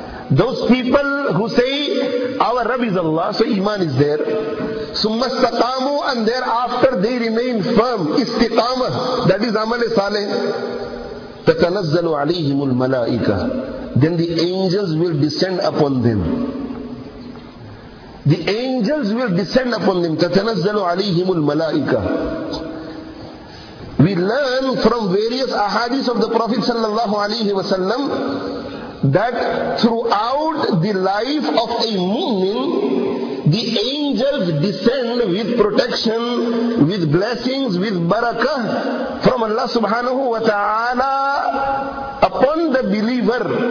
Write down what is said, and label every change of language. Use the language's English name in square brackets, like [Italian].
[English] Those people who say our Rabb is Allah, so Iman is there. [Arabic] ثم استقاموا, [English] and thereafter they remain firm. استقامة, that is عمل صالح. [Arabic] تتنزل عليهم الملائكة, [English] then the angels will descend upon them. The angels will descend upon them. [Arabic] تَتَنَزَّلُ عَلَيْهِمُ الْمَلَائِكَةِ. [English] We learn from various ahadith of the Prophet sallallahu alayhi wa sallam that throughout the life of a mu'min, the angels descend with protection, with blessings, with barakah from Allah subhanahu wa ta'ala upon the believer.